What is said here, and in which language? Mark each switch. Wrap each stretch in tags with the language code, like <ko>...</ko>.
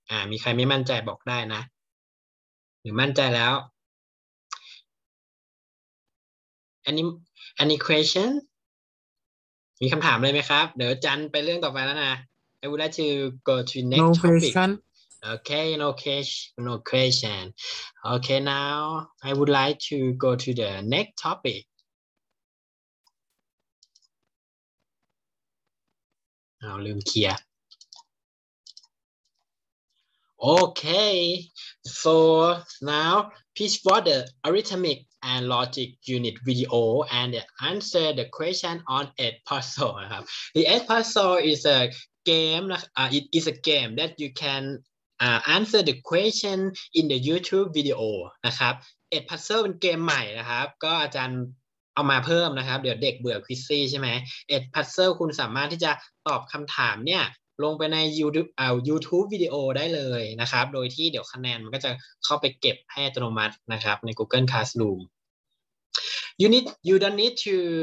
<th>มีใครไม่มั่นใจบอกได้นะหรือมั่นใจแล้ว any question มีคำถามเลยไหมครับเดี๋ยวจันไปเรื่องต่อไปแล้วนะ</th> <en>I would like to go to next topic. No question. Okay, no question. Okay, now I would like to go to the next topic.</en> <th>เอาลืมเคลียร์</th> <en>Okay, so now please watch the arithmetic and logic unit video and answer the question on Ed Puzzle. The Ed Puzzle is a game. It is a game that you can answer the question in the YouTube video.</en> <th>นะครับ Ed Puzzle เป็นเกมใหม่นะครับก็อาจารย์เอามาเพิ่มนะครับเดี๋ยวเด็กเบื่อควิซซี่ใช่ไหม Ed Puzzle คุณสามารถที่จะตอบคำถามเนี่ยลงไปใน YouTube วิดีโอได้เลยนะครับโดยที่เดี๋ยวคะแนนมันก็จะเข้าไปเก็บให้อัตโนมัตินะครับใน Google Classroom</th> <en>You don't need to</en>